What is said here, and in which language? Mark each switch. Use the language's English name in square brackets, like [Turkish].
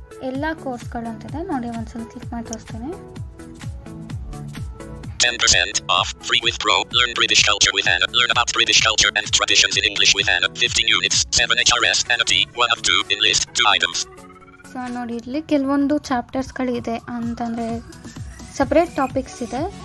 [Kannada] ಎಲ್ಲ ಕೋರ್ಸ್ಗಳು ಅಂತಿದೆ ನೋಡಿ, ಒಂದ್ಸಲ ಕ್ಲಿಕ್ ಮಾಡಿ ತೋರಿಸ್ತೀನಿ. [English] 10% off, free with Pro, learn British culture with Anna, learn about British culture and traditions in English with Anna, 15 units, 7 HRS, Anna T, 1 of 2, in list, 2 items. [Kannada] So, ನೋಡಿ, ಇಲ್ಲಿ ಕೆಲವೊಂದು ಚಾಪ್ಟರ್ಸ್ ಗಳಿದೆ ಅಂತಂದ್ರೆ ಸಪರೇಟ್ ಟಾಪಿಕ್ಸ್ ಇದೆ.